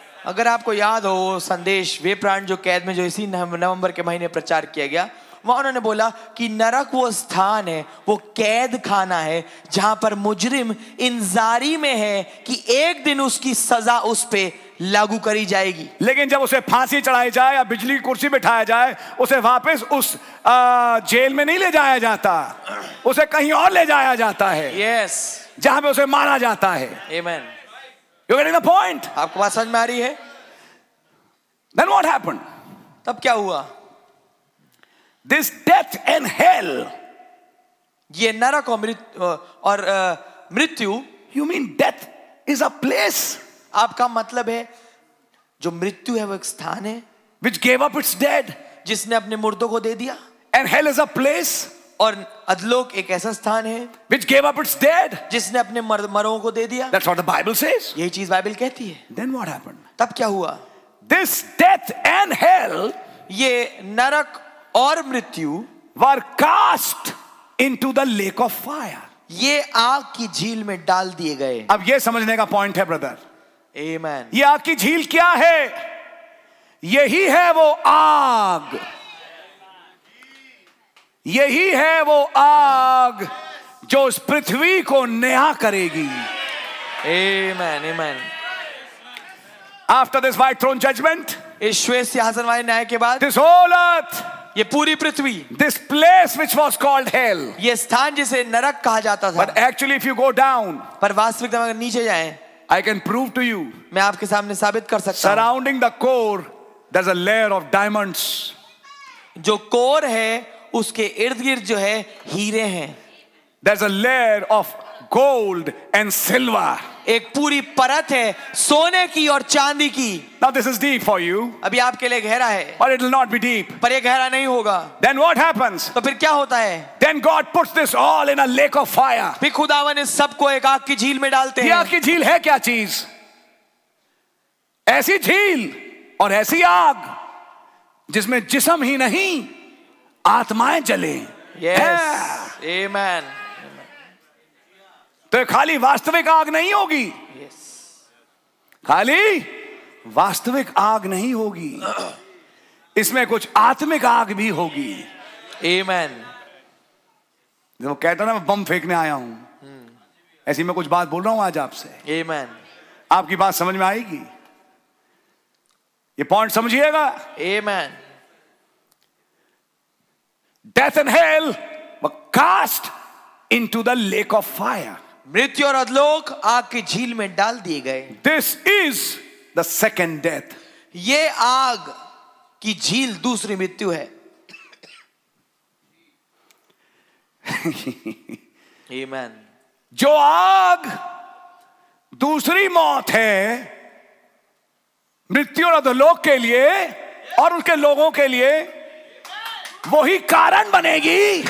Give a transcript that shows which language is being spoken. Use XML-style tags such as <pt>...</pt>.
<hi>अगर आपको याद हो संदेश वे प्राण जो कैद में जो इसी नवंबर के महीने प्रचार किया गया वहां उन्होंने बोला कि नरक वो स्थान है वो कैद खाना है जहां पर मुजरिम इंतजारी में है कि एक दिन उसकी सजा उस पे लागू करी जाएगी लेकिन जब उसे फांसी चढ़ाई जाए या बिजली की कुर्सी बिठाया जाए उसे वापस उस जेल में नहीं ले जाया जाता उसे कहीं और ले जाया जाता है</hi> <en>yes</en> <hi>जहां पे उसे मारा जाता है आमेन</hi> <en>You're getting the point.</en> <hi>आपको बात समझ में आ रही है?</hi> <en>Then what happened?</en> <hi>तब क्या हुआ?</hi> <en>This death and hell.</en> <hi>ये नरक और मृत्यु.</hi> <en>You mean death is a place?</en> <hi>आपका मतलब है जो मृत्यु है वो एक स्थान है.</hi> <en>Which gave up its dead?</en> <hi>जिसने अपने मुर्दों को दे दिया.</hi> <en>And hell is a place?</en> <hi>और अधलोक एक ऐसा स्थान है</hi> <en>Which gave up its dead.</en> <hi>जिसने अपने मरों को दे दिया</hi> <en>That's what the Bible says.</en> <hi>यही चीज़ बाइबल कहती है</hi> <en>Then what happened?</en> <hi>तब क्या हुआ?</hi> <en>This death and hell</en> <hi>ये नरक और मृत्यु</hi> <en>were cast into the lake of fire.</en> <hi>ये आग की झील में डाल दिए गए अब ये समझने का पॉइंट है ब्रदर</hi> <en>Amen.</en> <hi>ये आग की झील क्या है यही है वो आग यही है वो आग जो इस पृथ्वी को नया करेगी</hi> <en>Amen, Amen. After this white throne judgment,</en> <hi>इस श्वेत सिंहासन वाले न्याय के बाद</hi> <en>this whole earth,</en> <hi>ये पूरी पृथ्वी</hi> <en>this place which was called hell,</en> <hi>ये स्थान जिसे नरक कहा जाता था</hi> <en>but actually if you go down,</en> <hi>पर वास्तविक अगर नीचे जाए</hi> <en>I can prove to you,</en> <hi>मैं आपके सामने साबित कर सकता</hi> <en>हूं surrounding the core, there's a layer of diamonds.</en> <hi>जो कोर है उसके इर्द गिर्द जो है हीरे हैं</hi> <en>There's a layer of gold and silver.</en> <hi>एक पूरी परत है सोने की और चांदी की</hi> <en>Now this is deep for you.</en> <hi>अभी आपके लिए गहरा है</hi> <en>But it'll not be deep.</en> <hi>पर ये गहरा नहीं होगा</hi> <en>Then what happens?</en> <hi>तो फिर क्या होता है</hi> <en>Then God puts this all in a lake of fire.</en> <hi>फिर खुदावन इस सबको एक आग की झील में डालते हैं आग की झील है क्या चीज ऐसी झील और ऐसी आग जिसमें जिस्म ही नहीं आत्माएं जले</hi> <en>yes amen</en> <hi>तो खाली वास्तविक आग नहीं होगी</hi> <en>yes</en> <hi>खाली वास्तविक आग नहीं होगी इसमें कुछ आत्मिक आग भी होगी आमेन जब कहता ना मैं बम फेंकने आया हूं ऐसी मैं कुछ बात बोल रहा हूं आज आपसे आमेन आपकी बात समझ में आएगी ये पॉइंट समझिएगा आमेन</hi> <en>Death and hell were cast into the lake of fire.</en> <hi>मृत्यु और अधलोक आग की झील में डाल दिए गए.</hi> <en>This is the second death.</en> <hi>ये आग की झील दूसरी मृत्यु है.</hi> <en>Amen.</en> <hi>जो आग दूसरी मौत है मृत्यु और अधलोक के लिए और उनके लोगों के लिए वही कारण बनेगी</hi>